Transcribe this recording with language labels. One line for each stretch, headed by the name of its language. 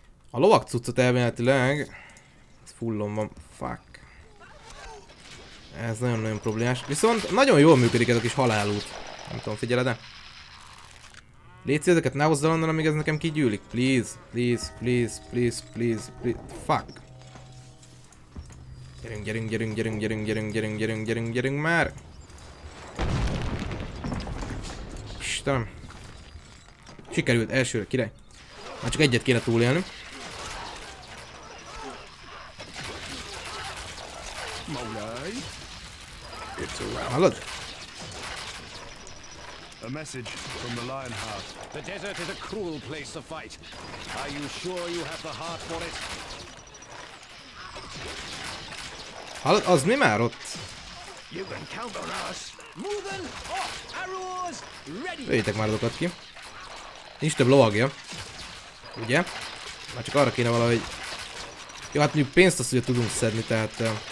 Hungarian: A lovak cuccot elméletileg... ez fullon van, fuck. Ez nagyon-nagyon problémás. Viszont nagyon jól működik ez a kis halálút. Nem tudom, figyeled-e? Légy szíves, ezeket ne hozzál onnan, amíg ez nekem kigyűlik.
English: Please, please, please, please, please, please, fuck.
Hungarian: Gyerünk, gyerünk, gyerünk, gyerünk, gyerünk, gyerünk, gyerünk, gyerünk, gyerünk, gyerünk már. Istenem. Sikerült, elsőre, király. Már csak egyet kéne túlélni. Hallod?
English: A message from the Lionheart. The desert is a cruel place to fight. Are you sure you have the heart for it?
Hungarian: Hallod, az mi már ott?
English: You can count on us. Moving, off, arrows, ready.
Hungarian: Vegyétek már azokat ki. Nincs több lovagja. Ugye? Már csak arra kéne valahogy... Jó, hát mondjuk pénzt azt ugye tudunk szedni, tehát...